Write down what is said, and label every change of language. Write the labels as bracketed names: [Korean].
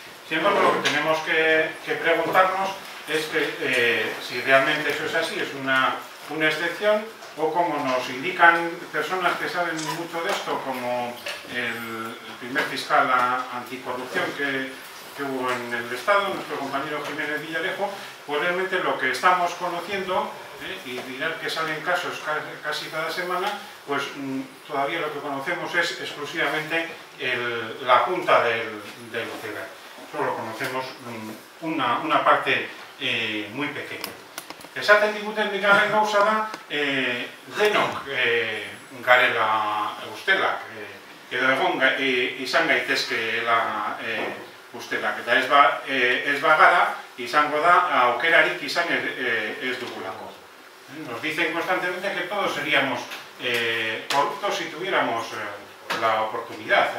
[Spanish] Sin embargo, lo que tenemos que preguntarnos es que si realmente eso es así, es una excepción, o como nos indican personas que saben mucho de esto, como el primer fiscal anticorrupción que hubo en el Estado, nuestro compañero Jiménez Villarejo, pues realmente lo que estamos conociendo, y dirán que salen casos casi cada semana, pues todavía lo que conocemos es exclusivamente la punta del iceberg. Solo conocemos una parte muy pequeña. [Basque] Esaten diguten bigarren gauza da, denok garela ustelak, edo egon izan gaitezke ustelak, eta ez bagara izango da aukerarik izan ez dugulako. [Spanish] Nos dicen constantemente que todos seríamos corruptos si tuviéramos la oportunidad.